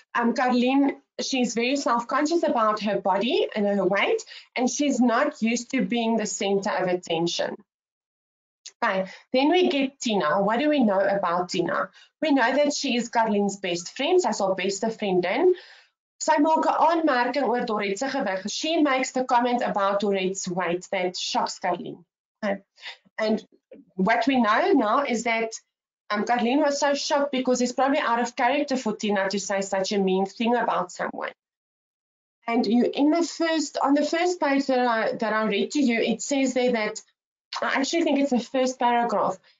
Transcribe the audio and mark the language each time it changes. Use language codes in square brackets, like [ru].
[en] Carlene, she's very self-conscious about her body and her weight, and she's not used to being the center of attention. Okay, then we get Tina. What do we know about Tina? We know that she is Carlene's best friend, as her best vriendin. [af] Sy maak 'n aanmerking oor Dorette se gewig. [en] She makes the comment about Dorette's weight that shocks Carlene. Okay. And what we know now is that Carlene was so shocked because it's probably out of character for Tina to say such a mean thing about someone. And you, in the first, on the first page that I read to you, it says there that I actually think it's the first paragraph.